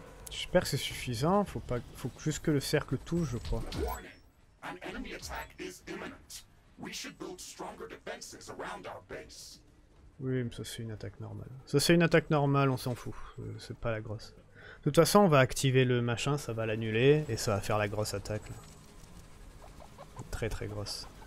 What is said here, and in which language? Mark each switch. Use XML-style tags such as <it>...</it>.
<fr>J'espère que c'est suffisant, faut pas, faut juste que le cercle touche, je crois.</fr> <en>An enemy attack is imminent. We should build stronger defenses around our base.</en> <fr>Oui, mais ça c'est une attaque normale. Ça c'est une attaque normale, on s'en fout. C'est pas la grosse. De toute façon, on va activer le machin, ça va l'annuler, et ça va faire la grosse attaque. Là. Très très grosse.</fr>